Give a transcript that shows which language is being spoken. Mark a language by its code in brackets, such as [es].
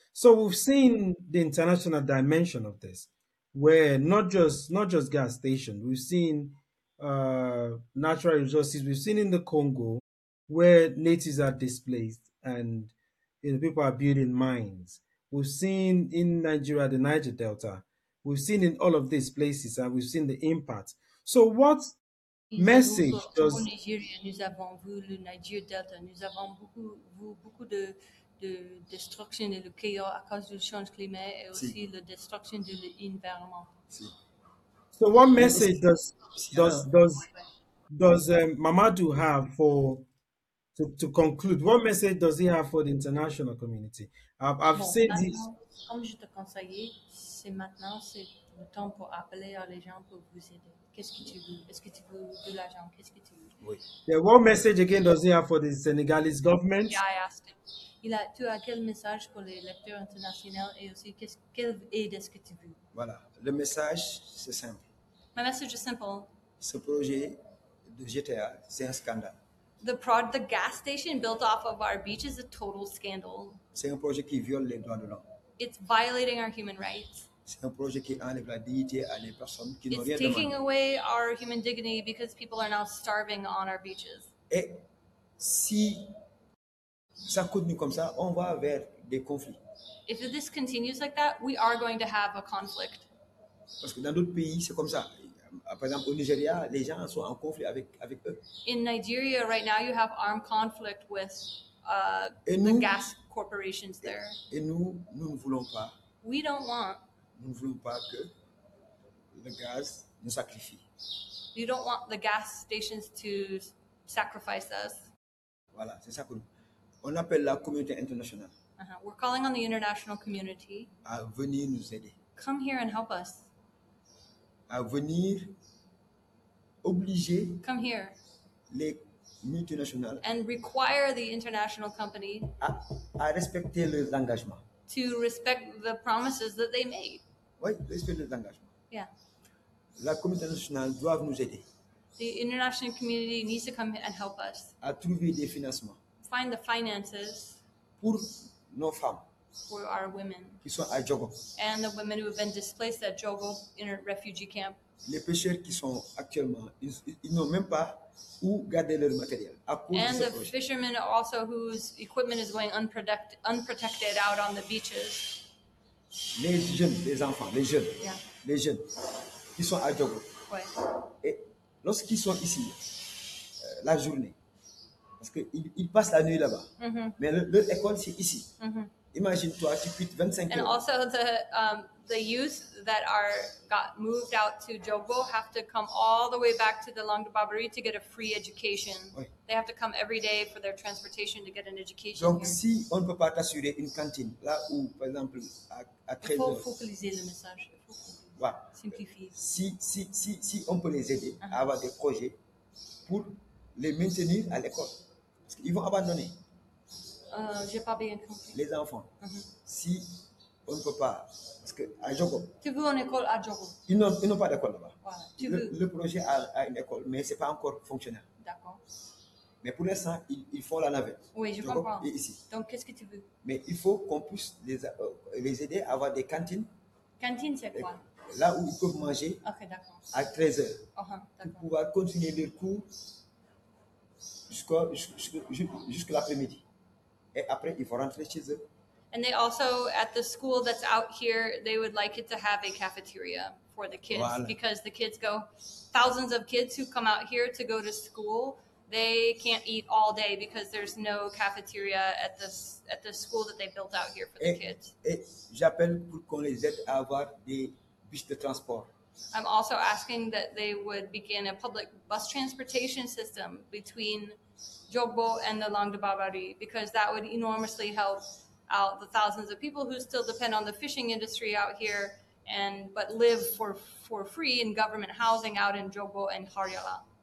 [en] So we've seen the international dimension of this, where not just gas stations, we've seen, natural resources, we've seen in the Congo, where natives are displaced and, you know, people are building mines. We've seen in Nigeria, the Niger Delta. We've seen in all of these places, and we've seen the impact. So what message does... [fr] Au Nigeria, nous avons vu le Niger Delta. Nous avons beaucoup de destruction et le chaos à cause du change climat et aussi la destruction de l'environnement. [en] So what message does Mamadou have for... To conclude, what message does he have for the international community? I've said this. [fr] Comme je te conseillais, c'est maintenant, c'est le temps pour appeler à les gens pour vous aider. Qu'est-ce que tu veux? Est-ce que tu veux de l'argent? Qu'est-ce que tu veux? Oui. [en] Yeah, what message again does he have for the Senegalese government? Yeah, I asked him. [fr] Tu as quel message pour les lecteurs internationaux et aussi quelle aide est-ce que tu veux? Voilà. Le message, c'est simple. [en] My message is simple. [fr] Ce projet de GTA, c'est un scandale. [en] The gas station built off of our beach is a total scandal. [fr] C'est un projet qui viole les droits de l'homme. [en] It's violating our human rights. [fr] C'est un projet qui enlève la dignité à des personnes qui n'ont rien demandé. [en] It's taking away our human dignity because people are now starving on our beaches. [fr] Et si ça continue comme ça, on va vers des conflits. [en] If this continues like that, we are going to have a conflict. [fr] Parce que dans d'autres pays, c'est comme ça. Par exemple, au Nigeria, les gens sont en conflit avec eux. [en] In Nigeria, right now, you have armed conflict with the gas corporations there. [fr] Et nous ne voulons pas. [en] We don't want. [fr] Nous ne voulons pas que le gaz nous sacrifie. [en] You don't want the gas stations to sacrifice us. [fr] Voilà, c'est ça que nous. On appelle la communauté internationale. [en] Uh-huh. We're calling on the international community. [fr] À venir nous aider. [en] Come here and help us. [fr] À venir obliger [en] come here [fr] les multinationales [en] and require the international company [fr] à respecter leurs engagements [en] to respect the promises that they made. [fr] Oui, respecter leurs engagements. [en] Yeah. [fr] La communauté internationale doit nous aider. [en] The international community needs to come and help us [fr] à trouver des financements [en] find the finances [fr] pour nos femmes [en] who are women. [fr] Qui sont à Jogo. [en] And the women who have been displaced at Jogo in a refugee camp. [fr] Les pêcheurs qui sont actuellement, ils n'ont même pas où garder leur matériel à cause [en] and [fr] de ce [en] the [fr] projet. [en] Fishermen also whose equipment is going unprotected out on the beaches. [fr] Les jeunes, les enfants, les jeunes, [en] yeah. [fr] Les jeunes qui sont à Jogo. Ouais. Et lorsqu'ils sont ici, la journée, parce qu'ils passent la nuit là-bas, mm-hmm. mais leur école c'est ici. Mm-hmm. Imagine-toi, tu quittes 25 [en] and Also the youth that are got moved out to Jogo have to come all the way back to the Langue de Barbarie to get a free education. [fr] Oui. [en] They have to come every day for their transportation to get an education. [fr] Donc [en] here. [fr] Si on ne peut pas t'assurer une cantine, là où, par exemple, à 13 heures. Il faut focaliser le message. Voilà. Simplifier. Si on peut les aider uh-huh. à avoir des projets pour les maintenir à l'école, parce qu'ils vont abandonner. J'ai pas bien compris. Les enfants. Uh-huh. Si on ne peut pas, parce qu'à Jogo. Tu veux une école à Jogo? Ils n'ont pas d'école là-bas. Voilà. Le projet a une école, mais ce n'est pas encore fonctionnel. D'accord. Mais pour l'instant, ils font la navette. Oui, je Jogo comprends. Et ici. Donc, qu'est-ce que tu veux? Mais il faut qu'on puisse les aider à avoir des cantines. Cantine, c'est quoi? Là où ils peuvent manger okay, d'accord. à 13 heures. Uh-huh, pour pouvoir continuer leur cours jusqu'à l'après-midi. Et après, ils vont rentrer chez eux. [en] And they also, at the school that's out here, they would like it to have a cafeteria for the kids. [fr] Voilà. [en] Because the kids go, thousands of kids who come out here to go to school, they can't eat all day because there's no cafeteria at the school that they built out here for [fr] et, [en] the kids. [fr] Et j'appelle pour qu'on les aide à avoir des bus de transport. [en] I'm also asking that they would begin a public bus transportation system between Jogo and the Langue de Barbarie because that would enormously help out the thousands of people who still depend on the fishing industry out here and but live for free in government housing out in Jogo and Harjala.